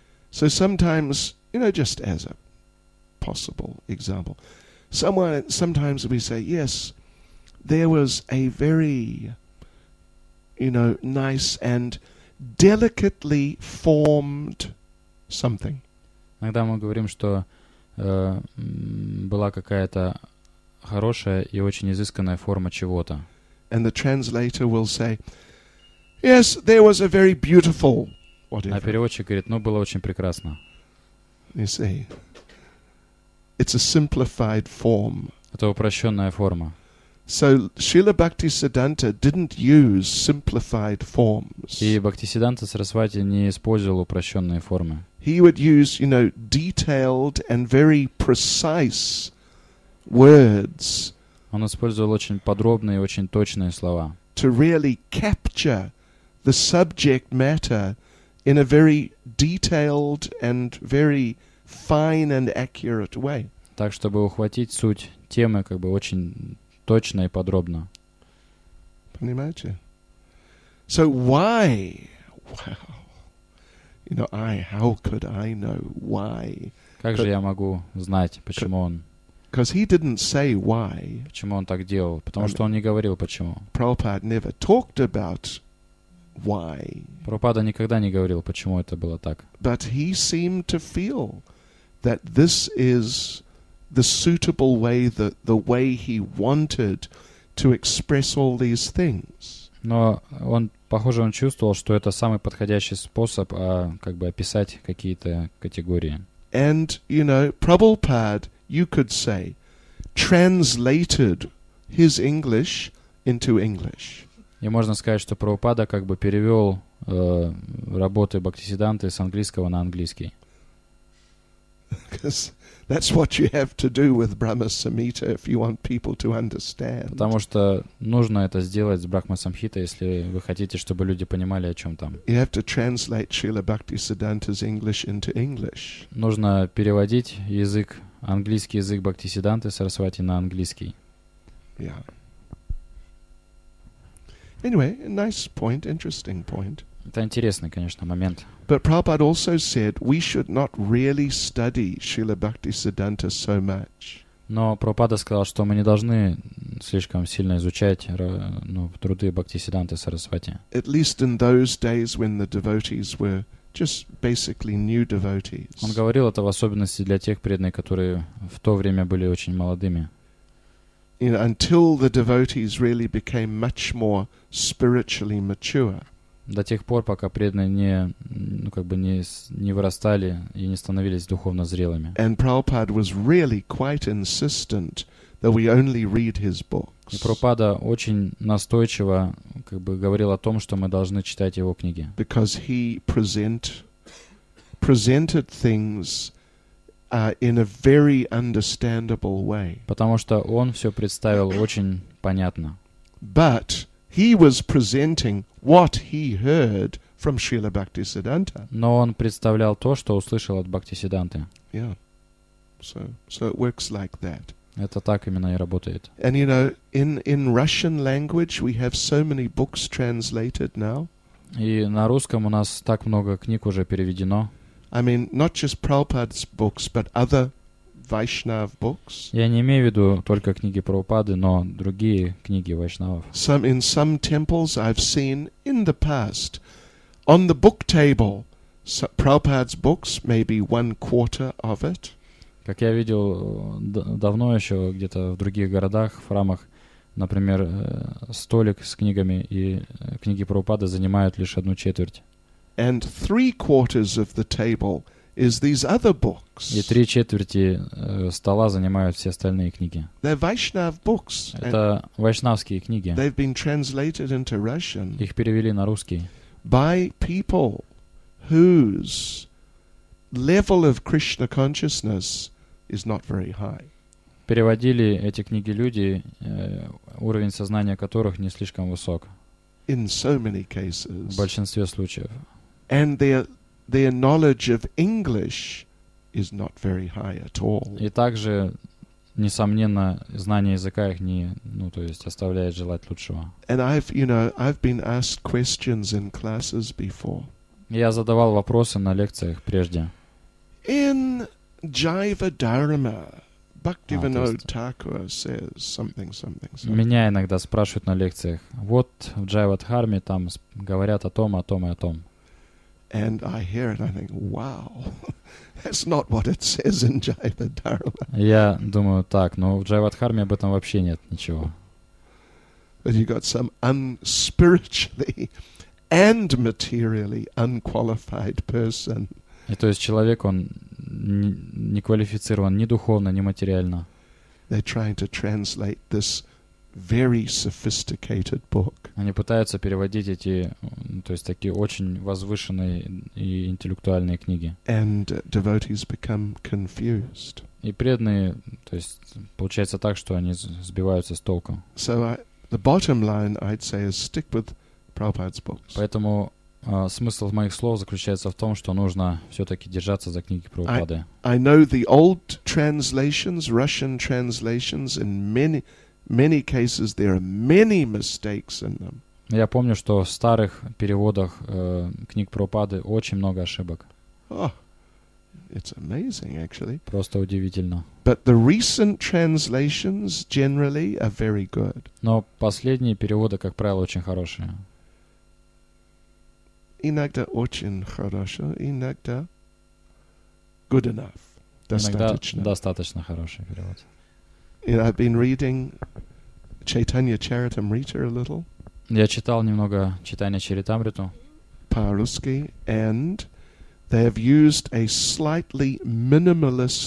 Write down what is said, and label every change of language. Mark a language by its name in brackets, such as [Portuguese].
[English] So sometimes, you know, just as a possible example, sometimes we say, yes, there was a very, you know, nice and delicately formed something. [Russian] Иногда мы говорим, что была какая-то хорошая и очень изысканная форма чего-то. [English] And the translator will say, yes, there was a very beautiful whatever. [Russian] А переводчик говорит, ну, было очень прекрасно. [English] You see, it's a simplified form. [Russian] Это упрощенная форма. [English] So Srila Bhaktisiddhanta didn't use simplified forms. [Russian] И Бхактисиддханта Сарасвати не использовал упрощенные формы. [English] He would use, you know, detailed and very precise words. [Russian] Он использовал очень подробные и очень точные слова. [English] To really capture the subject matter in a very detailed and very fine and accurate way. [Russian] Так, чтобы ухватить суть темы как бы очень точно и подробно. Понимаете? [English] So why? Wow. You know, how could I know why? [Russian] Как же я могу знать, почему он? [English] Because he didn't say why. [Russian] Почему он так делал? Потому что он не говорил почему. [English] Prabhupada never talked about why. [Russian] Прабхупада никогда не говорил, почему это было так. [English] But he seemed to feel that this is the suitable way, the way he wanted to express all these things. [Russian] Но он, похоже, он чувствовал, что это самый подходящий способ, как бы описать какие-то категории. [English] And, you know, Prabhupada, you could say, translated his English into English. [Russian] И можно сказать, что Прабхупада как бы перевел работы Бхактисиддханты с английского на английский. [English] Because that's what you have to do with Brahma Samhita if you want people to understand. [Russian] Потому что нужно это сделать с Брахма Самхита, если вы хотите, чтобы люди понимали, о чем там. [English] You have to translate Srila Bhaktisiddhanta's English into English. [Russian] Нужно переводить язык, английский язык Бхактисиддханты Сарасвати на английский. [English] Yeah. Anyway, a nice point, interesting point. [Russian] Это интересный, конечно, момент. [English] But Prabhupada also said we should not really study Srila Bhaktisiddhanta so much. [Russian] Но Прабхупада сказал, что мы не должны слишком сильно изучать, ну, труды Бхактисиддханты Сарасвати. [English] At least in those days when the devotees were just basically new devotees. [Russian] Он говорил это в особенности для тех преданных, которые в то время были очень молодыми. [English] You know, until the devotees really became much more spiritually mature. [Russian] До тех пор, пока преданные не, ну, как бы не вырастали и не становились духовно зрелыми. [English] And Prabhupada was really quite insistent that we only read his books. [Russian] И Прабхупада очень настойчиво, как бы, говорил о том, что мы должны читать его книги. [English] Because he presented things in a very understandable way. [Russian] Потому что он все представил очень понятно. [English] But he was presenting what he heard from Srila Bhaktisiddhanta. [Russian] Но он представлял то, что услышал от Бхактисиддханты. [English] Yeah. So it works like that. [Russian] Это так именно и работает. [English] And you know, in Russian language we have so many books translated now. [Russian] И на русском у нас так много книг уже переведено. [English] I mean, not just Prabhupada's books, but other Vaishnav books. [Russian] Я не имею в виду только книги Прабхупады, но другие книги вайшнавов. [English] Some in some temples I've seen in the past on the book table, so Prabhupada's books, maybe one quarter of it. [Russian] Как я видел давно еще где-то в других городах, в храмах, например, столик с книгами и книги Прабхупады занимают лишь одну четверть. [English] And three quarters of the table is these other books. [Russian] И три четверти стола занимают все остальные книги. [English] They're Vaishnav books. [Russian] Это вайшнавские книги. [English] They've been translated into Russian. [Russian] Их перевели на русский. [English] By people whose level of Krishna consciousness is not very high. [Russian] Переводили эти книги люди, уровень сознания которых не слишком высок. [English] In so many cases. [Russian] В большинстве случаев. [English] And their knowledge of English is not very high at all. [Russian] И также, несомненно, знание языка их не, ну, то есть оставляет желать лучшего. [English] And I've been asked questions in classes before. [Russian] Я задавал вопросы на лекциях прежде. [English] In Jiva Dharma, Bhaktivinod Thakur says something. [Russian] Меня иногда спрашивают на лекциях. Вот в Jiva Dharma там говорят о том, о том и о том. [English] And I hear it, I think, wow, that's not what it says in Jiva Dharma. [Russian] Я думаю так, но в Jiva Dharma об этом вообще нет ничего. [English] But you got some unspiritually and materially unqualified person. [Russian] И то есть человек, он не квалифицирован ни духовно, ни материально. [English] They're trying to translate this very sophisticated book. [Russian] Они пытаются переводить эти, то есть такие очень возвышенные и интеллектуальные книги. [English] And devotees become confused. [Russian] И преданные, то есть получается так, что они сбиваются с толку. [English] So the bottom line I'd say is stick with Prabhupada's books. [Russian] Поэтому смысл моих слов заключается в том, что нужно все-таки держаться за книги Прабхупады. [English] I know the old translations, Russian translations, in many cases there are many mistakes in them. [Russian] Я помню, что в старых переводах книг Прабхупады очень много ошибок. [English] Oh, it's amazing, actually. [Russian] Просто удивительно. [English] But the recent translations generally are very good. [Russian] Но последние переводы, как правило, очень хорошие. Иногда очень хорошо, иногда [English] good enough. [Russian] Достаточно. Иногда достаточно хороший перевод. [English] You know, I've been reading Chaitanya Charitamrita a little. [Russian] Я читал немного Чайтанья Чаритамриту. По-русски, [English] and they have used a slightly minimalist.